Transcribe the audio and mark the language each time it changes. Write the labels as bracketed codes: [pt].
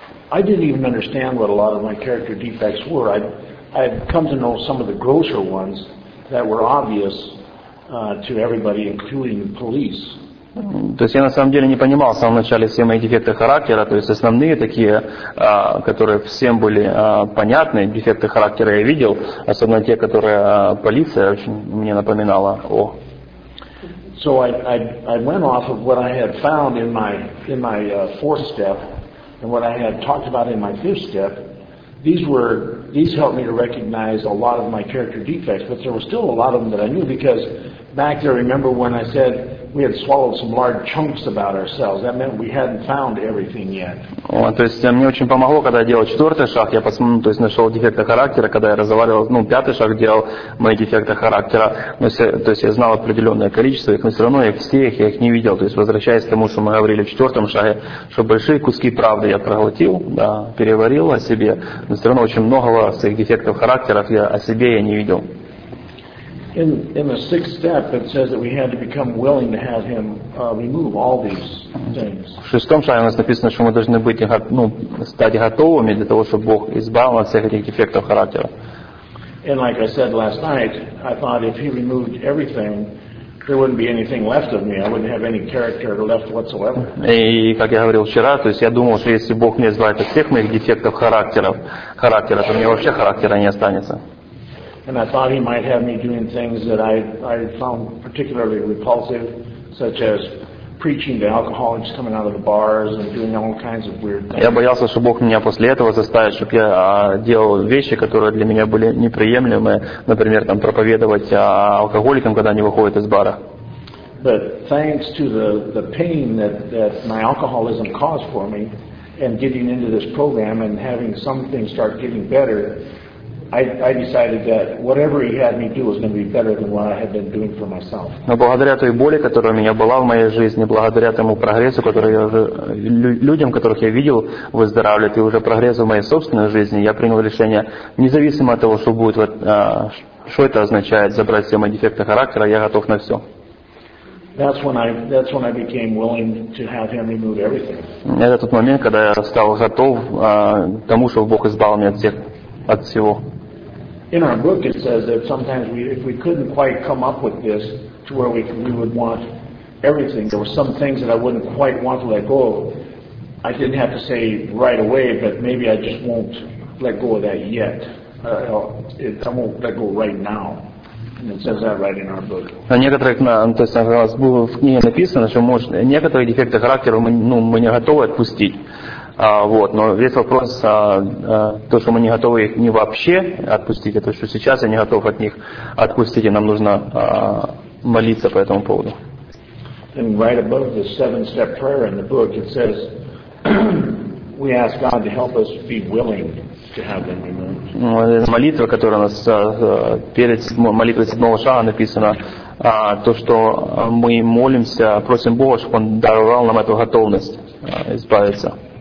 [en] I didn't even understand what a lot of my character defects were. I've come to know some of the grosser ones that were obvious to everybody, including the police. [ru] То есть я на самом деле не понимал в самом начале все мои дефекты характера, то есть основные такие, которые всем были понятны, дефекты характера я видел, особенно те, которые полиция очень мне напоминала о. [en] So I went off of what I had found in my fourth step and what I had talked about in my fifth step. These helped me to recognize a lot of my character defects, but there was still a lot of them that I knew, because back there, remember when I said we had swallowed some large chunks about ourselves, that meant we hadn't found everything yet. [ru] То есть мне очень помогло, когда я делал четвертый шаг, я посмотрел, то есть нашел дефекты характера, когда я разговаривал, ну, пятый шаг делал, мои дефекты характера, то есть я знал определенное количество их, но все равно я их не видел, то есть возвращаясь к тому, что мы говорили в четвертом шаге, что большие куски правды я проглотил, да, переварил о себе, но все равно очень многого своих дефектов характера о себе я не видел. [en] In the sixth step, it says that we had to become willing to have him remove all these things. [ru] В шестом шаге у нас написано, что мы должны быть стать готовыми для того, чтобы Бог избавил нас от всех этих дефектов характера. [en] And like I said last night, I thought if he removed everything, there wouldn't be anything left of me. I wouldn't have any character left whatsoever. [ru] И как я говорил вчера, то есть я думал, что если Бог не избавит от всех моих дефектов характера, то у меня вообще характера не останется. [en] And I thought he might have me doing things that I found particularly repulsive, such as preaching to alcoholics coming out of the bars and doing all kinds of weird things. [ru] Я боялся, что Бог меня после этого заставит, чтобы я делал вещи, которые для меня были неприемлемы, например, там проповедовать алкоголикам, когда они выходят из бара. [en] But thanks to the pain that my alcoholism caused for me, and getting into this program and having some things start getting better, I decided that whatever he had me do was going to be better than what I had been doing for myself. [ru] Но благодаря той боли, которая у меня была в моей жизни, благодаря тому прогрессу, который я уже людям, которых я видел выздоравливать, и уже прогресс в моей собственной жизни, я принял решение, независимо от того, что будет, что это означает, забрать все мои дефекты характера, я готов на все. [en] That's when I became willing to have him remove everything. [ru] Это тот момент, когда я стал готов к тому, чтобы Бог избавил меня от всех. От всего. [en] In our book it says that sometimes if we couldn't quite come up with this to where we would want everything, there were some things that I wouldn't quite want to let go of. I didn't have to say right away, but maybe I just won't let go of that yet. I won't let go right now. [ru] На некоторых, то есть, как у нас было в книге написано, что может некоторые дефекты характера мы не готовы отпустить. Но весь вопрос то, что мы не готовы их не вообще отпустить, а то, что сейчас я не готов от них отпустить, и нам нужно молиться по этому поводу. [en] And right above the seven-step prayer in the book, it says we ask God to help us be willing. [ru] Молитва, которая у нас перед молитвой седьмого шага написана, то, что мы молимся, просим Бога, чтобы Он даровал нам эту готовность избавиться.